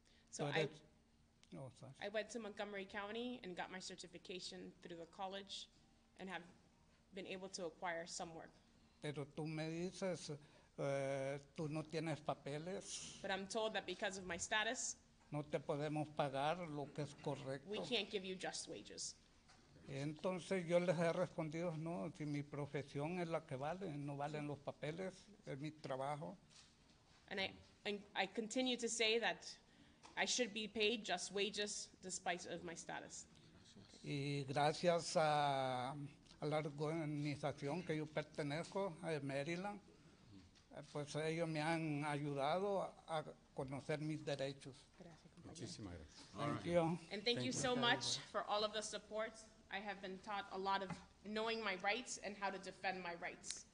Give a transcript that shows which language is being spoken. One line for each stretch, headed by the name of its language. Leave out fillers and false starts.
English: So I went to Montgomery County and got my certification through the college and have been able to acquire some work.
Spanish: Pero tú me dices, tú no tienes papeles.
English: But I'm told that because of my status,
Spanish: no te podemos pagar lo que es correcto.
English: We can't give you just wages.
Spanish: Entonces yo les he respondido, no, si mi profesión es la que vale, no valen los papeles, es mi trabajo.
English: And I continue to say that I should be paid just wages despite of my status.
Spanish: Y gracias a la organización que yo pertenezco, a Maryland, pues ellos me han ayudado a conocer mis derechos. Muchísimas gracias.
English: Thank you. And thank you so much for all of the support. I have been taught a lot of knowing my rights and how to defend my rights.